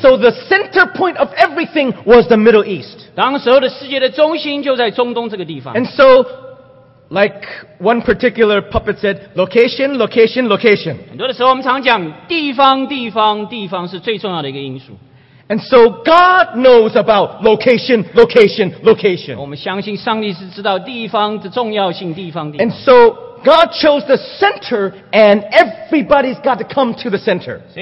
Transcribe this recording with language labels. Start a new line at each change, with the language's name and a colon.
English: So the center point of everything was the Middle East.
Chinese: 当时候的世界的中心就在中东这个地方。
English: And so, like one particular puppet said, location, location, location.
Chinese: 很多的时候我们常讲地方，地方，地方是最重要的一个因素。
English: And so God knows about location, location, location.
Chinese: 我们相信上帝是知道地方的重要性，地方。
English: And so God chose the center, and everybody's got to come to the center.